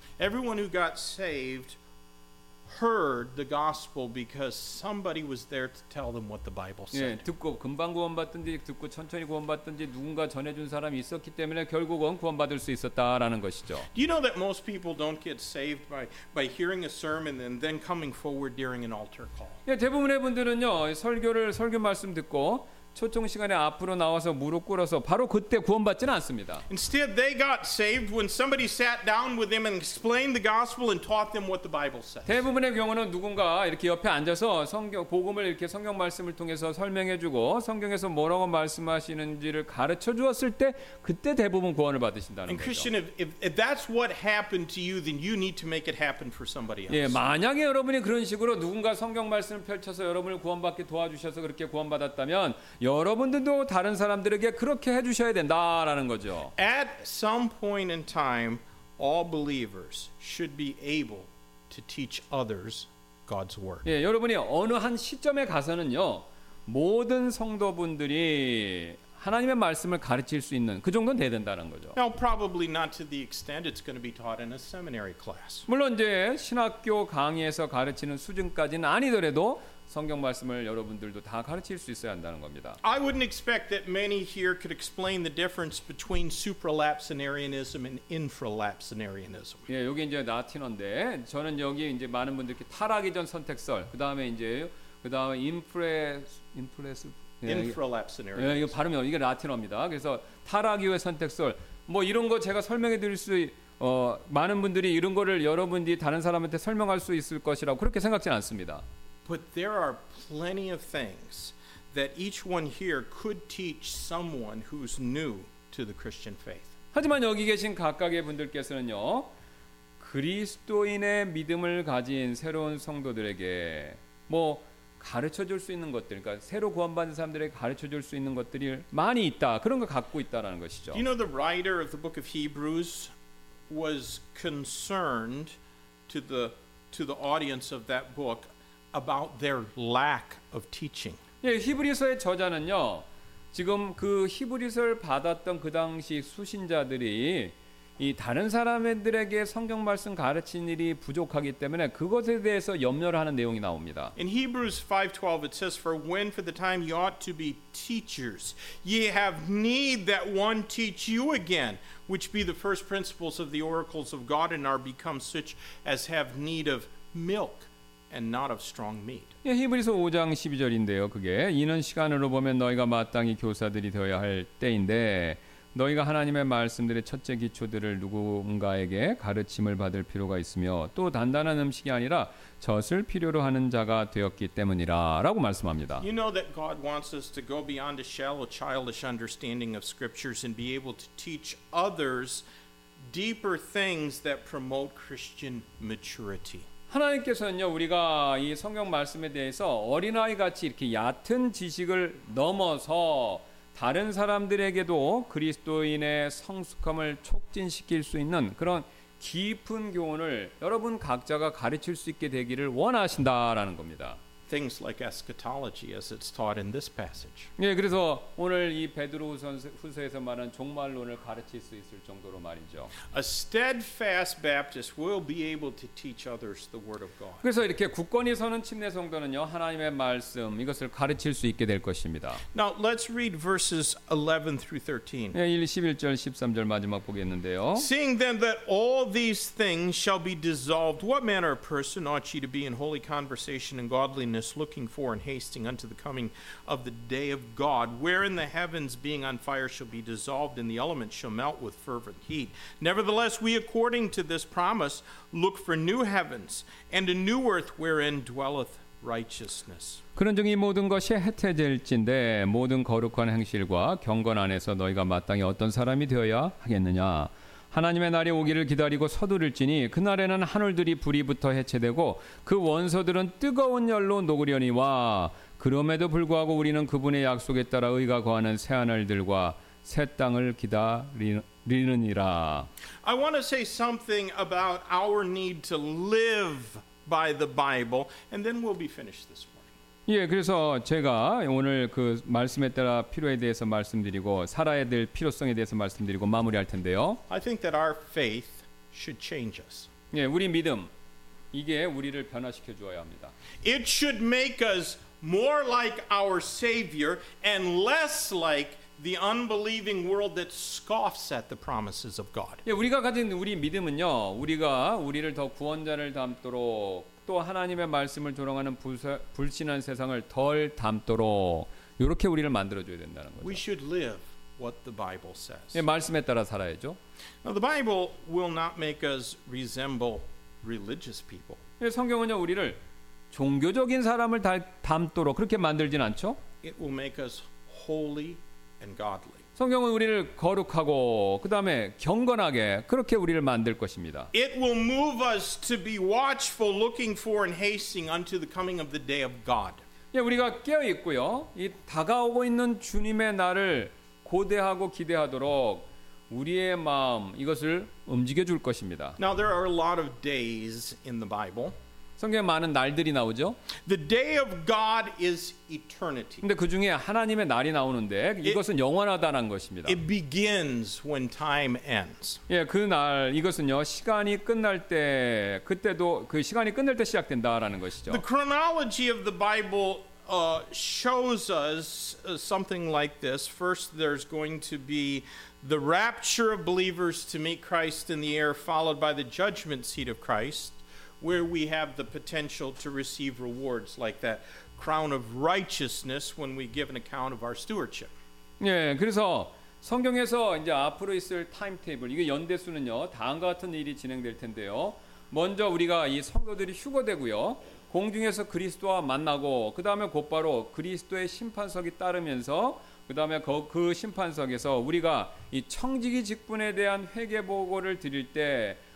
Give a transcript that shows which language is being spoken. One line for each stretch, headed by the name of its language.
English: Everyone who got saved heard the gospel because somebody was there to tell them what the Bible said.
Korean: 예, 듣고 금방 구원받든지 듣고 천천히 구원받든지 누군가 전해준 사람이 있었기 때문에 결국은 구원받을 수 있었다라는 것이죠.
English: Do you know that most people don't get saved by hearing a sermon and then coming forward during an altar call?
Korean: 예, 대부분의 분들은요 설교를 설교 말씀 듣고 초청 시간에 앞으로 나와서 무릎 꿇어서 바로 그때 구원받지는 않습니다.
English: Instead, they got saved when somebody sat down with them and explained the gospel and taught them what the Bible says.
Korean: 대부분의 경우는 누군가 이렇게 옆에 앉아서 성경 복음을 이렇게 성경 말씀을 통해서 설명해주고 성경에서 뭐라고 말씀하시는지를 가르쳐 주었을 때 그때 대부분 구원을 받으신다는 거죠.
English: And Christian, if that's what happened to you, then you need to make it happen for somebody else.
Korean: 예, 만약에 여러분이 그런 식으로 누군가 성경 말씀을 펼쳐서 여러분을 구원받게 도와주셔서 그렇게 구원받았다면. 여러분들도 다른 사람들에게 그렇게 해 주셔야 된다라는 거죠.
English: At some point in time, all believers should be able to teach others God's word.
Korean: 예, 여러분이 어느 한 시점에 가서는요. 모든 성도분들이 하나님의 말씀을 가르칠 수 있는 그 정도는 돼야 된다는 거죠.
English: Now, probably not to the extent it's going to be taught in a seminary class.
Korean: 물론 이제 신학교 강의에서 가르치는 수준까지는 아니더라도 성경 말씀을 여러분들도 다 가르칠 수 있어야 한다는 겁니다.
English: I wouldn't expect that many here could explain the difference between supralapsarianism and infralapsarianism.
Korean: 예, 여기 이제 라틴어인데 저는 여기 이제 많은 분들께 타락이 전 선택설, 그다음에 이제 그다음에
English: infralapsarianism.
Korean: 예, 이거 발음이 이게 라틴어입니다. 그래서 타락 이후의 선택설 뭐 이런 거 제가 설명해 드릴 수 많은 분들이 이런 거를 여러분들이 다른 사람한테 설명할 수 있을 것이라고 그렇게 생각지는 않습니다.
English: But there are plenty of things that each one here could teach someone who's new to the Christian faith.
Korean: 하지만 여기 계신 각각의 분들께서는요, 그리스도인의 믿음을 가진 새로운 성도들에게 뭐 가르쳐 줄 수 있는 것들, 그러니까 새로 구원받은 사람들에게 가르쳐 줄 수 있는 것들이 많이 있다. 그런 거 갖고 있다라는 것이죠.
English: You know, the writer of the book of Hebrews was concerned to the audience of that book. About their lack of teaching.
Korean: 예, 히브리서의 저자는요, 지금 그 히브리서를 받았던 그 당시 수신자들이 이 다른 사람들에게 성경 말씀 가르친 일이 부족하기 때문에 그것에 대해서 염려를 하는 내용이 나옵니다.
English: In Hebrews 5:12 it says, "For when for the time ye ought to be teachers, ye have need that one teach you again, which be the first principles of the oracles of God, and are become such as have need of milk." And not of strong meat.
Korean: 예, 히브리서 5장 12절인데요. 그게 이는 시간으로 보면 너희가 마땅히 교사들이 되어야 할 때인데 너희가 하나님의 말씀들의 첫째 기초들을 누군가에게 가르침을 받을 필요가 있으며 또 단단한 음식이 아니라 젖을 필요로 하는 자가 되었기 때문이라라고 말씀합니다.
English: You know that God wants us to go beyond a shallow childish understanding of scriptures and be able to teach others deeper things that promote Christian maturity.
Korean: 하나님께서는요 우리가 이 성경 말씀에 대해서 어린아이 같이 이렇게 얕은 지식을 넘어서 다른 사람들에게도 그리스도인의 성숙함을 촉진시킬 수 있는 그런 깊은 교훈을 여러분 각자가 가르칠 수 있게 되기를 원하신다라는 겁니다.
English: Things like eschatology, as it's taught in this passage.
Korean: 예, 그래서 오늘 이 베드로 후서에서 말한 종말론을 가르칠 수 있을 정도로 말이죠.
English: A steadfast Baptist will be able to teach others the word of God.
Korean: 그래서 이렇게 굳건히 서는 침례 성도는요 하나님의 말씀 이것을 가르칠 수 있게 될 것입니다.
English: Now let's read verses 11 through 13.
Korean: 예, 11절, 13절 마지막 보겠는데요.
English: Seeing then that all these things shall be dissolved, what manner of person ought ye to be in holy conversation and godly? Looking for and hasting unto the coming of the day of God, wherein the heavens being on fire shall be dissolved, and the elements shall melt with fervent heat. Nevertheless, we, according to this promise, look for new heavens and a new earth wherein dwelleth righteousness.
Korean: 그런즉 이 모든 것이 해태될진대 모든 거룩한 행실과 경건 안에서 너희가 마땅히 어떤 사람이 되어야 하겠느냐? 하나님의 날이 오기를 기다리고 서두를지니 그날에는 하늘들이 불이 붙어 해체되고 그 원소들은 뜨거운 열로 녹으려니와 그럼에도 불구하고 우리는 그분의 약속에 따라 의가 거하는 새하늘들과 새 땅을 기다리느니라.
English: I want to say something about our need to live by the Bible and then we'll be finished this morning.
Korean: 예, 그래서 제가 오늘 그 말씀에 따라 필요에 대해서 말씀드리고 살아야 될 필요성에 대해서 말씀드리고 마무리할 텐데요.
English: I think that our faith should change us.
Korean: 예, 우리 믿음 이게 우리를 변화시켜 주어야 합니다.
English: It should make us more like our Savior and less like the unbelieving world that scoffs at the promises of God.
Korean: 예, 우리가 가진 우리 믿음은요, 우리가 우리를 더 구원자를 닮도록 또 하나님의 말씀을 조롱하는 불신한 세상을 덜 닮도록 이렇게 우리를 만들어줘야 된다는 거죠.
English: We should live what the Bible says.
Korean: 예, 말씀에 따라 살아야죠.
English: Now the Bible will not make us resemble religious people.
Korean: 예, 성경은요 우리를 종교적인 사람을 닮도록 그렇게 만들진 않죠.
English: It will make us holy and godly.
Korean: 성경은 우리를 거룩하고 그 다음에 경건하게 그렇게 우리를 만들 것입니다.
English: It will move us to be watchful, looking for and hasting unto the coming of the day of God.
Korean: 예, 우리가 깨어 있고요. 이 다가오고 있는 주님의 날을 고대하고 기대하도록 우리의 마음 이것을 움직여 줄 것입니다.
English: Now there are a lot of days in the Bible.
Korean: 성경에 많은 날들이 나오죠.
English: The day of God is eternity.
Korean: 근데 그 중에 하나님의 날이 나오는데 이것은 영원하다는 것입니다.
English: It begins when time ends.
Korean: 예, 그 날 이것은요 시간이 끝날 때 그때도 그 시간이 끝날 때 시작된다라는 것이죠.
English: The chronology of the Bible shows us something like this. First, there's going to be the rapture of believers to meet Christ in the air, followed by the judgment seat of Christ. Where we have the potential to receive rewards like that crown of righteousness when we give an account of our stewardship.
Korean: 예, 그래서 성경에서 이제 앞으로 있을 타임테이블 이게 연대수는요 다음과 같은 일이 진행될 텐데요. 먼저 우리가 이 성도들이 휴거되고요 공중에서 그리스도와 만나고 그 다음에 곧바로 그리스도의 심판석이 따르면서 그 다음에 그 심판석에서 우리가 이 청지기 직분에 대한 회개 보고를 드릴 때.